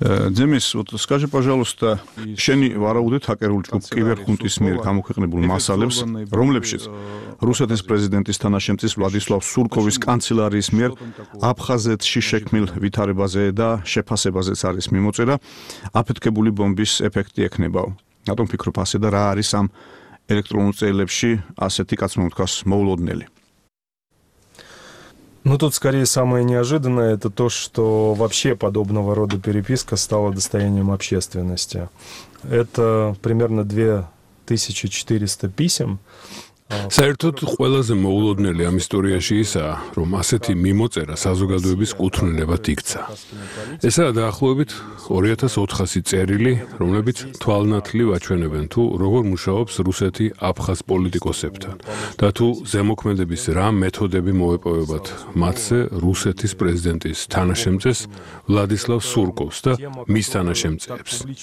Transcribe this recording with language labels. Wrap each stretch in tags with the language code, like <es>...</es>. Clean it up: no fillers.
<ka>Демис,</ka> <ru>вот скажи, пожалуйста,</ru> <ka>შენი ვარაუდეთ ჰაკერულ ჯგუფ კიბერხუნტის მიერ გამოქვეყნებულ მასალებს, რომლებშიც რუსეთის პრეზიდენტის თანაშემწის ვლადისლავ სურკოვის კანცელარიის მიერ აფხაზეთში შექმნილ ვითარებაზე და შეფასებაზეც არის მიმოწერა, აფეთქებული ბომბის ეფექტი ექნებაო? რატომ ფიქრობ ასე და რა არის ამ ელექტრონულ წერილებში ასეთი კაცმა თქოს მოულოდნელი?</ka> <ru>Ну тут скорее самое неожиданное это то, что вообще подобного рода переписка стала достоянием общественности. Это примерно 2400 писем.</ru> <ka>საერთოდ ყველაზე მოულოდნელი ამ ისტორიაში ისაა, რომ ასეთი მიმოწერა საზოგადოების კუთვნილებად იქცა. ესაა დაახლოებით 2400 წერილი, რომლებიც თვალნათლივ აჩვენებენ, თუ როგორ მუშაობს რუსეთი აფხაზ პოლიტიკოსებთან და თუ ზემოქმედების რა მეთოდები მოეპოვებათ მათზე რუსეთის პრეზიდენტის თანაშემწეს ვლადისლავ სურკოვს და მის თანაშემწეებს.</ka>